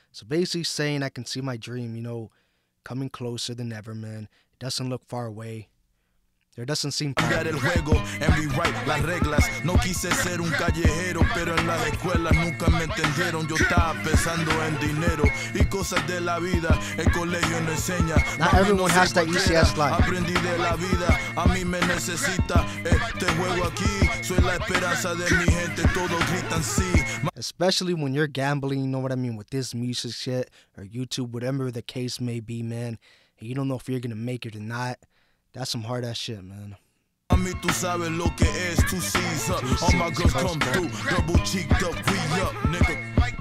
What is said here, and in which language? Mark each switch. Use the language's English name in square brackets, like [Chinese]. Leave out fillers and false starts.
[English] So basically saying I can see my dream, you know, coming closer than ever, man. It doesn't look far away. There doesn't seem to be [Spanish] el juego [English] and rewrite [Spanish] las reglas. No quise ser un callejero, pero en las escuelas nunca me entendieron. Yo estaba pensando en dinero y cosas de la vida. El colegio no enseña. [English] Not everyone has that ECS life. [Spanish] Aprendí de la vida, a mí me necesita este juego aquí. Soy la esperanza de mi gente, todos gritan sí. [English] Especially when you're gambling, you know what I mean, with this music shit or YouTube, whatever the case may be, man. And you don't know if you're gonna make it or not. That's some hard ass shit, man. I mean, [Spanish] tú sabes lo que es, [English] two C's up. All my girls come through, double cheeked up, we up, nigga.